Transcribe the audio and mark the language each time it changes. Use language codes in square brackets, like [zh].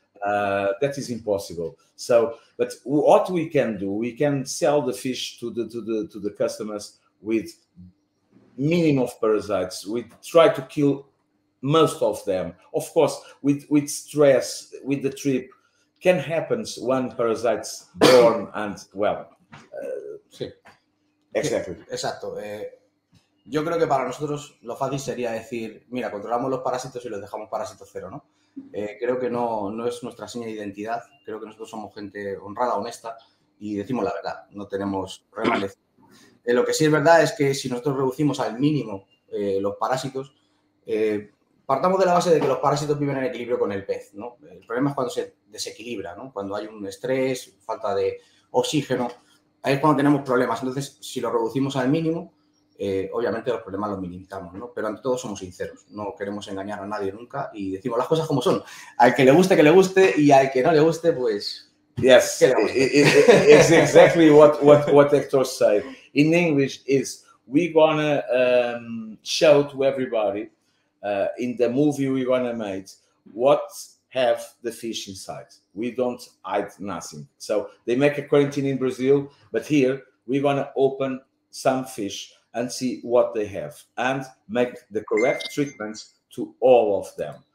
[en] That is impossible. So, but what we can do, we can sell the fish to the customers with minimum of parasites. We try to kill most of them. Of course, with stress, with the trip, can happen one parasite born and, well. Exactly. [es] Exacto. Yo creo que para nosotros lo fácil sería decir, mira, controlamos los parásitos y los dejamos parásitos cero, ¿no? Creo que no es nuestra seña de identidad. Creo que nosotros somos gente honrada, honesta, y decimos la verdad, no tenemos remanes. Lo que sí es verdad es que si nosotros reducimos al mínimo los parásitos, partamos de la base de que los parásitos viven en equilibrio con el pez, ¿no? El problema es cuando se desequilibra, ¿no? Cuando hay un estrés, falta de oxígeno, ahí es cuando tenemos problemas. Entonces, si lo reducimos al mínimo, obviamente los problemas los minimizamos, ¿no? Pero ante todo somos sinceros, no queremos engañar a nadie nunca y decimos las cosas como son. Al que le guste y al que no le guste, pues... [en] Yes, it's exactly what Hector said. In English is, we're gonna show to everybody in the movie we're gonna make what have the fish inside. We don't hide nothing. So they make a quarantine in Brazil, but here we're gonna open some fish and see what they have and make the correct treatments to all of them.